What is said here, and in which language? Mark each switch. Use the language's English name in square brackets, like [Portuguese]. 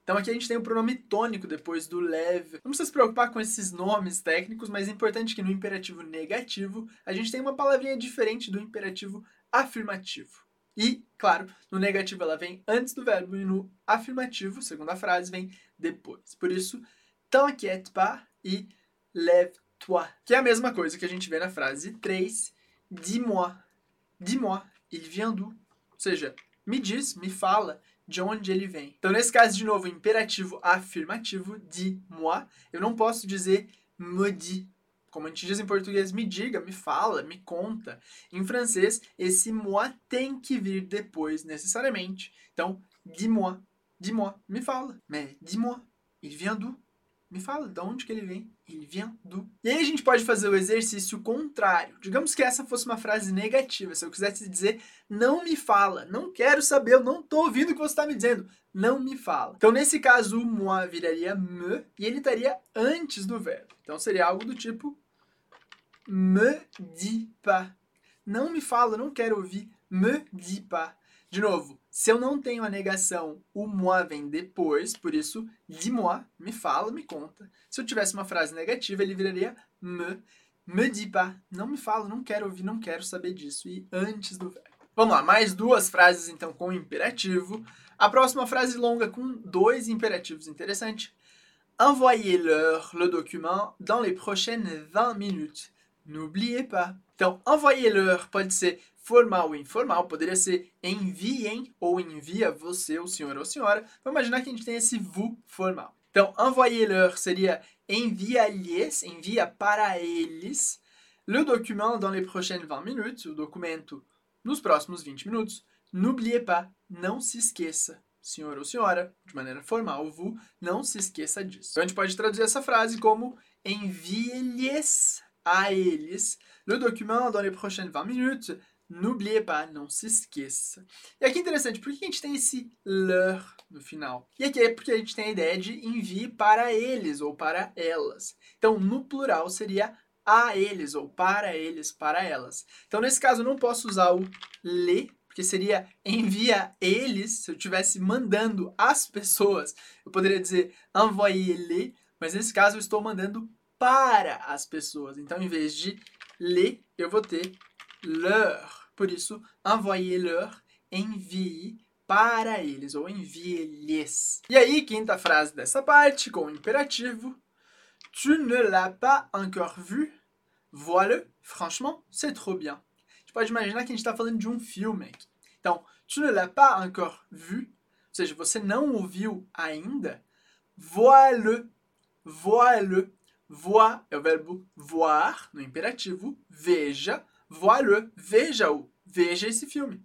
[Portuguese] Então, aqui a gente tem o pronome tônico depois do lève. Não precisa se preocupar com esses nomes técnicos, mas é importante que no imperativo negativo, a gente tem uma palavrinha diferente do imperativo afirmativo. E, claro, no negativo ela vem antes do verbo e no afirmativo, segunda frase, vem depois. Por isso, [French] t'inquiète pas [Portuguese] e [French] lève-toi. [Portuguese] Que é a mesma coisa que a gente vê na frase 3, [French] dis-moi, dis-moi, il vient d'où? [Portuguese] Ou seja, me diz, me fala, de onde ele vem. Então, nesse caso, de novo, imperativo afirmativo, [French] dis-moi, [Portuguese] eu não posso dizer [French] me dis. [Portuguese] Como a gente diz em português, me diga, me fala, me conta. Em francês, esse moi tem que vir depois, necessariamente. Então, [French] dis-moi, dis-moi, [Portuguese] me fala. [French] Mais dis-moi, il vient d'où? [Portuguese] Me fala, de onde que ele vem? [French] Il vient d'où? [Portuguese] E aí a gente pode fazer o exercício contrário. Digamos que essa fosse uma frase negativa. Se eu quisesse dizer, não me fala, não quero saber, eu não estou ouvindo o que você está me dizendo. Não me fala. Então, nesse caso, o moi viraria me e ele estaria antes do verbo. Então, seria algo do tipo, [French] me dis pas. [Portuguese] Não me fala, não quero ouvir, [French] me dis pas. [Portuguese] De novo, se eu não tenho a negação, o moi vem depois, por isso, [French] dis-moi, [Portuguese] me fala, me conta. Se eu tivesse uma frase negativa, ele viraria me, [French] me dis pas. [Portuguese] Não me fala, não quero ouvir, não quero saber disso. E antes do verbo. Vamos lá, mais duas frases, então, com imperativo. A próxima frase longa com dois imperativos, interessante. [French] Envoyez-leur le document dans les prochaines 20 minutes. N'oubliez pas. [Portuguese] Então, envoyez-leur pode ser formal ou informal. Poderia ser enviem ou envia você, o senhor ou senhora. Vamos imaginar que a gente tem esse vous formal. Então, [French] envoyez-leur [Portuguese] seria envia-lhes, envia para eles. [French] Le document dans les prochaines 20 minutes. [Portuguese] O documento nos próximos 20 minutos. [French] N'oubliez pas. [Portuguese] Não se esqueça. Senhor ou senhora, de maneira formal, vous, não se esqueça disso. Então, a gente pode traduzir essa frase como envie-lhes a eles [French] le document dans les prochaines 20 minutes, n'oubliez pas, [Portuguese] não se esqueça. E aqui é interessante, por que a gente tem esse leur no final? E aqui é porque a gente tem a ideia de envie para eles ou para elas. Então, no plural seria a eles ou para eles, para elas. Então, nesse caso, eu não posso usar o les, que seria envia eles, se eu estivesse mandando as pessoas, eu poderia dizer [French] envoyez-les, [Portuguese] mas nesse caso eu estou mandando para as pessoas. Então, em vez de les, eu vou ter leur. Por isso, [French] envoyez-leur, [Portuguese] envie para eles, ou envie-lhes. E aí, quinta frase dessa parte, com o imperativo. [French] Tu ne l'as pas encore vu? Vois-le, franchement, c'est trop bien. [Portuguese] Pode imaginar que a gente está falando de um filme aqui. Então, [French] tu ne l'as pas encore vu? [Portuguese] Ou seja, você não o viu ainda? [French] Vois-le. Vois-le. [Portuguese] Vois é o verbo voir no imperativo. Veja. Vois-le. Veja-o. Veja esse filme.